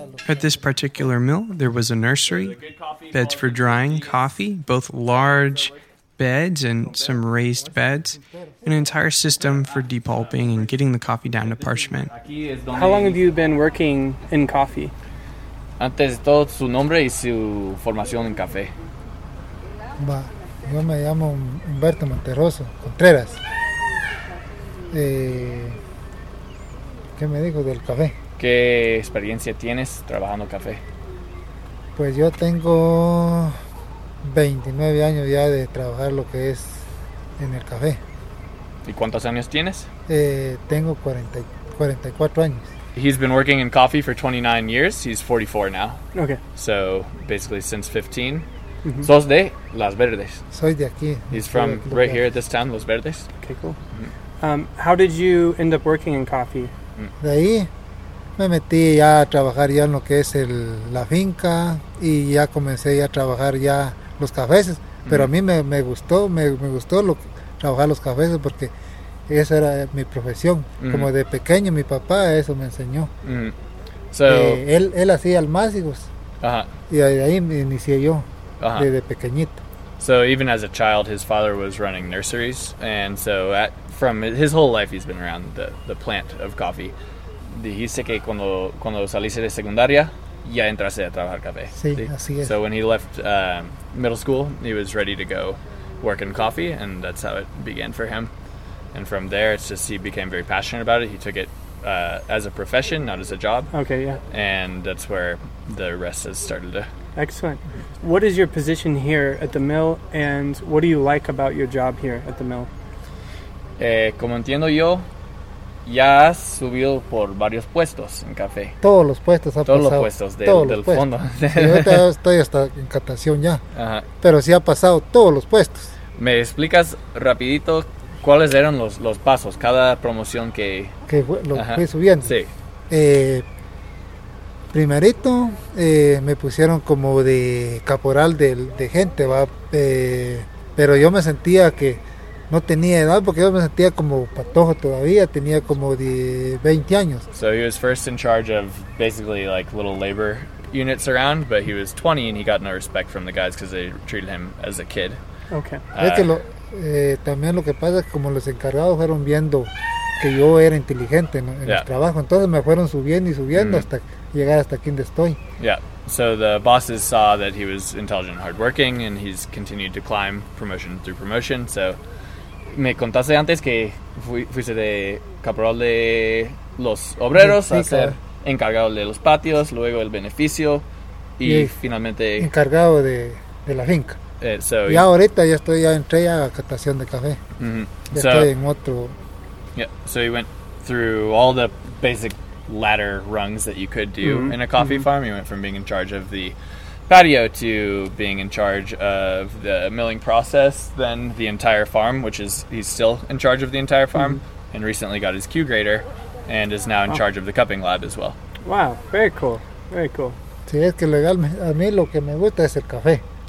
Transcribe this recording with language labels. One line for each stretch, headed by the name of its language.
English: At this particular mill, there was a nursery, beds for drying coffee, both large beds and some raised beds, an entire system for depulping and getting the coffee down to parchment. How long have you been working in coffee?
Spanish: Antes de todo, su nombre y su formación en café. Va, yo me llamo Humberto Monterroso Contreras. ¿Qué me dijo del café? ¿Qué experiencia tienes trabajando café? Pues yo tengo 29 años ya de trabajar lo que es en el café. ¿Y cuántos años tienes? Tengo 44 años.
English: He's been working in coffee for 29 years. He's 44 now. Okay. So basically since 15. Mm-hmm. ¿Sos de Las Verdes?
Spanish: Soy de aquí.
English: He's from right here at this town, Las Verdes. Okay, cool. Mm-hmm. How did you end up working in coffee?
Spanish: De ahí me metí ya a trabajar ya en lo que es la finca y ya comencé ya a trabajar ya los cafés. Pero mm-hmm. a mí me gustó trabajar los cafés porque esa era mi profesión. Mm-hmm. Como de pequeño mi papá eso me enseñó.
English: Mm-hmm. So,
Spanish: él hacía almácigos. Uh-huh. Y ahí me inicié yo. Uh-huh. Desde pequeñito.
English: So even as a child his father was running nurseries, and so from his whole life he's been around the plant of coffee.
Spanish: Dijiste que cuando saliste de secundaria ya entraste a trabajar café. Sí, así es.
English: So when he left middle school he was ready to go work in coffee, and that's how it began for him. And from there it's just he became very passionate about it. He took it as a profession, not as a job. Okay, yeah. And that's where the rest has started to... Excellent. What is your position here at the mill, and what do you like about your job here at the mill?
Spanish: Como entiendo yo, ya has subido por varios puestos en café. Todos los puestos ha todos pasado. Todos los puestos del fondo. Yo estoy hasta en catación ya. Ajá. Pero sí ha pasado todos los puestos. ¿Me explicas rapidito cuáles eran los pasos, cada promoción que... Que fue, lo ajá. fui subiendo. Sí. Primerito me pusieron como de caporal de gente, ¿va? Pero yo me sentía que no tenía edad porque yo me sentía como patojo todavía, tenía como de 20 años.
English: So he was first in charge of basically like little labor units around, but he was 20 and he got no respect from the guys because they treated him as a kid. Okay.
Spanish: Es que también lo que pasa es que como los encargados fueron viendo que yo era inteligente en yeah. el trabajo, entonces me fueron subiendo y subiendo mm-hmm. hasta... llegar hasta aquí donde estoy.
English: Yeah, so the bosses saw that he was intelligent and hardworking, and he's continued to climb promotion through promotion. So,
Spanish: me contaste antes que fuiste de caporal de los obreros a ser encargado de los patios, luego el beneficio, y finalmente... encargado de la finca.
English: So
Spanish: y ahorita ya estoy, ya entré a catación de café. Mm-hmm. Ya so, estoy en otro...
English: Yeah, so he went through all the basic... ladder rungs that you could do mm-hmm. in a coffee mm-hmm. farm. You went from being in charge of the patio to being in charge of the milling process, then the entire farm, which is he's still in charge of the entire farm mm-hmm. and recently got his Q grader and is now in oh. charge of the cupping lab as well. Wow, very cool, very cool.
Spanish: Sí, es que legal, a mí lo que me gusta es el café.